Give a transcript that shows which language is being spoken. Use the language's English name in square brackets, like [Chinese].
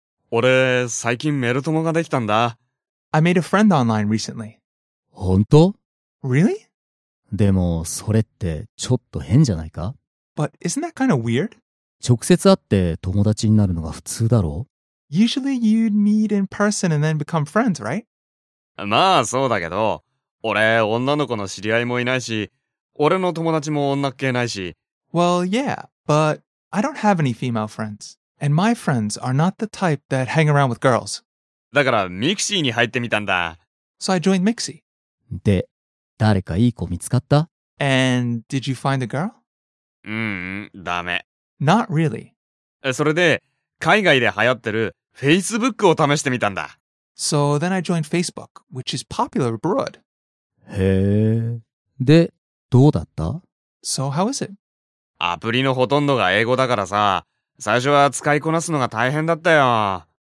[Japanese] 俺、最近メルトモができたんだ。 [English] I made a friend online recently. [Japanese] 本当？ [English] Really? [Japanese] でも、それってちょっと変じゃないか？ [English] But isn't that kind of weird? [Japanese] 直接会って友達になるのが普通だろ？ [English] Usually you'd meet in person and then become friends, right? [Japanese] まあそうだけど、俺、女の子の知り合いもいないし、俺の友達も女系ないし。 [English] Well, yeah, but I don't have any female friends. And my friends are not the type that hang around with girls. [Japanese] だから、ミクシーに入ってみたんだ。 [English] So I joined Mixie. [Japanese] で、誰かいい子見つかった？ [English] And did you find a girl? [Japanese] ダメ。 [English] Not really. [Japanese] それで、海外で流行ってる Facebook を試してみたんだ。 [English] So then I joined Facebook, which is popular abroad. [Japanese] へぇ。で、どうだった？ [English] So how is it? [Japanese] アプリのほとんどが英語だからさ、最初は使いこなすのが大変だったよ。